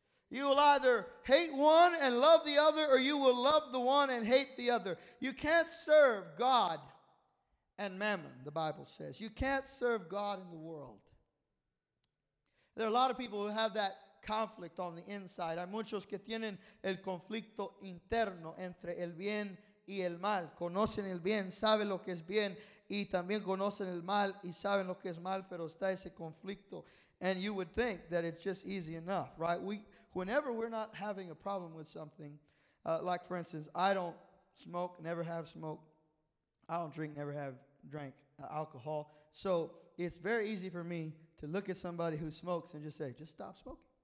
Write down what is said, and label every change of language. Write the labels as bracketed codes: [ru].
[en] You will either hate one and love the other, or you will love the one and hate the other. You can't serve God and mammon, the Bible says. You can't serve God in the world. There are a lot of people who have that conflict on the inside. [es] Hay muchos que tienen el conflicto interno entre el bien y el mal. Conocen el bien, saben lo que es bien, y también conocen el mal y saben lo que es mal, pero está ese conflicto. [en] And you would think that it's just easy enough, right? Whenever we're not having a problem with something, like for instance, I don't smoke, never have smoked. I don't drink, never have drank alcohol. So it's very easy for me to look at somebody who smokes and just say, just stop smoking.